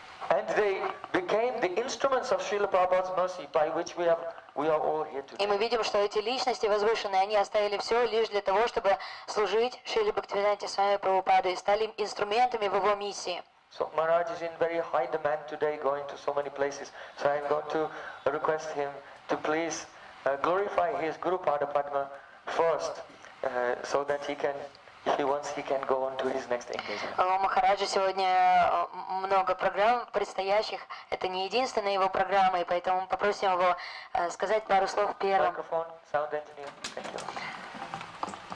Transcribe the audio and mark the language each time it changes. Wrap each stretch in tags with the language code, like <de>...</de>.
<en>And they became the instruments of Srila Prabhupada's mercy by which we are all here today.</en> <ru>И мы видим, что эти личности возвышенные, они оставили все лишь для того, чтобы служить Шриле Бхактивиданте Свами Прабхупаде и стали инструментами в его миссии.</ru> <en>So Maharaj is in very high demand today, going to so many places. So I'm going to request him to please glorify his Guru Pada Padma first, so that he can. If he wants, he can go on to his next engagement.</en> <ru>Махараджа сегодня много программ предстоящих. Это не единственная его программа, и поэтому мы попросим его сказать пару слов первым.</ru> <en>Microphone, sound engineer. Thank you.</en>